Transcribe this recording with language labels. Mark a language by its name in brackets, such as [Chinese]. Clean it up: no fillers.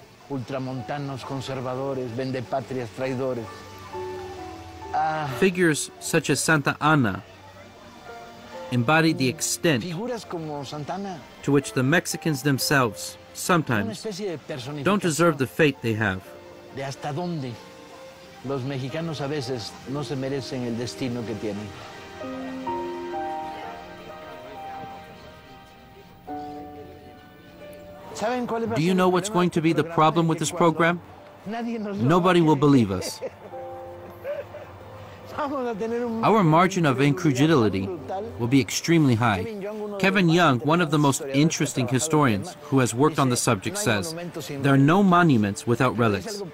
[Spanish] Ultramontanos, conservadores, vendepatrias, traidores. [English] Figures such as Santa Ana embody the extent to which the Mexicans themselves sometimes don't deserve the fate they have. [Spanish] De hasta donde los mexicanos a veces no se merecen el destino que tienen. [English] Do you know what's going to be the problem with this program? Nobody will believe us. Our margin of incredulity will be extremely high. Kevin Young, one of the most interesting historians who has worked on the subject, says, there are no monuments without relics.